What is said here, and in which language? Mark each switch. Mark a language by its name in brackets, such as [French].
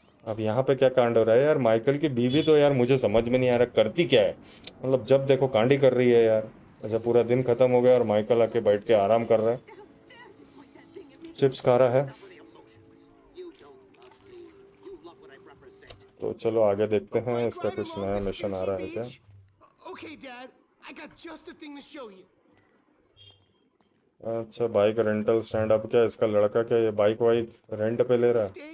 [Hindi] अब यहाँ पे क्या कांड हो रहा है यार, माइकल की बीवी तो यार मुझे समझ में नहीं आ रहा करती क्या है, मतलब जब देखो कांड ही कर रही है यार। अच्छा पूरा दिन खत्म हो गया और माइकल आके बैठ के आराम कर रहा है, चिप्स खा रहा है। तो चलो आगे देखते हैं इसका कुछ नया मिशन आ रहा है क्या। [English] I got just the thing to show you. [Hindi] अच्छा बाइक रेंटल स्टैंड अप, क्या इसका लड़का क्या ये बाइक वाइक रेंट पे ले रहा है।